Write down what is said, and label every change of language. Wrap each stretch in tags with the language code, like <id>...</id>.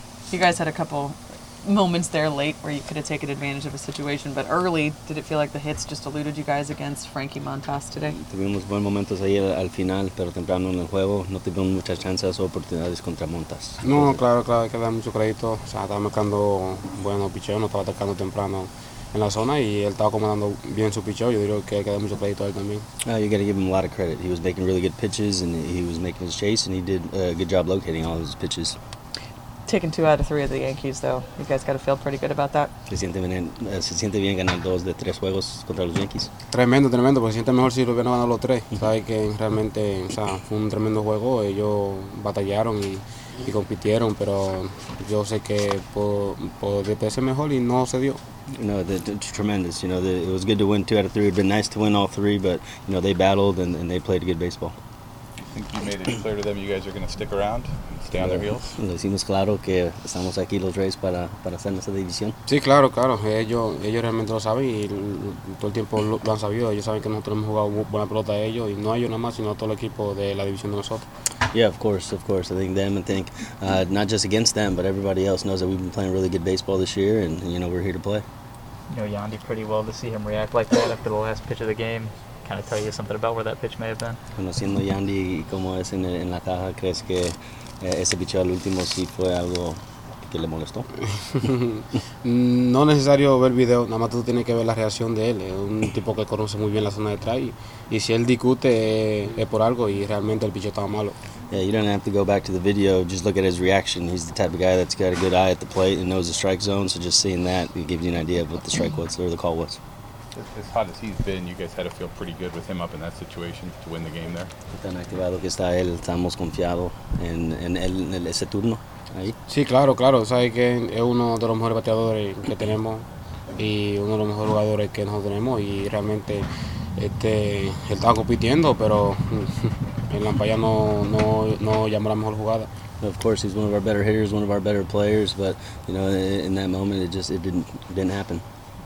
<en>You guys had a couple moments there late where you could have taken advantage of a situation, but early, did it feel like the hits just eluded you guys against Frankie Montas today?</en> <es>Tuvimos buenos momentos ahí al final, pero temprano en el juego no tuvimos muchas chances o oportunidades contra Montas. No, claro, hay que dar mucho crédito. O sea, estaba marcando buenos picheos, no estaba atacando temprano en la zona y él estaba comandando bien su picheo. Yo digo que hay que dar mucho crédito a él también.</es> <en>You got to give him a lot of credit. He was making really good pitches and he was making his chase and he did a good job locating all his pitches. Taking two out of three of the Yankees, though, you guys got to feel pretty good about that.</en> <es>Se siente bien ganar dos de tres juegos contra los Yankees. Tremendo, porque se siente mejor si lo hubieran ganado los tres. Sabes que realmente, o sea, fue un tremendo juego. Ellos batallaron y compitieron, pero yo sé que puedo ser mejor y no se dio.</es> <en>No, it's tremendous. You know, it was good to win two out of three. It'd been nice to win all three, but you know, they battled and they played good baseball. I think you made it clear to them you guys are going to stick around and stay on their heels.</en> <es>Le hicimos claro que estamos aquí los Rays para hacer nuestra división. Sí, claro. Ellos realmente lo saben y todo el tiempo lo han sabido. Ellos saben que nosotros hemos jugado buena pelota a ellos y no a ellos nada más, sino a todo el equipo de la división de nosotros.</es> <en>Yeah, of course. I think not just against them, but everybody else knows that we've been playing really good baseball this year and you know, we're here to play. You know Yandy pretty well, to see him react like that after the last pitch of the game. Kind of tell you something about where that pitch may have been.</en> <es>Conociendo Yandy y cómo es en la caja, ¿crees que ese picheo al último sí fue algo que le molestó? No necesario ver video, nada más tú tienes que ver la reacción de él. Es un tipo que conoce muy bien la zona detrás y si él discute es por algo y realmente el picheo estaba malo.</es> <en>Yeah, you don't have to go back to the video. Just look at his reaction. He's the type of guy that's got a good eye at the plate and knows the strike zone. So just seeing that, it gives you an idea of what the strike was or the call was. As hot as he's been, you guys had to feel pretty good with him up in that situation to win the game there.</en> <es>Tan activado que está él, estamos confiados en él en ese turno ahí. Sí, claro. Sabes que es uno de los mejores bateadores que tenemos y uno de los mejores jugadores que nosotros tenemos y realmente él estaba compitiendo, pero el umpire no llamó la mejor jugada.</es> <en>Of course, he's one of our better hitters, one of our better players, but you know, in that moment, it didn't happen.</en>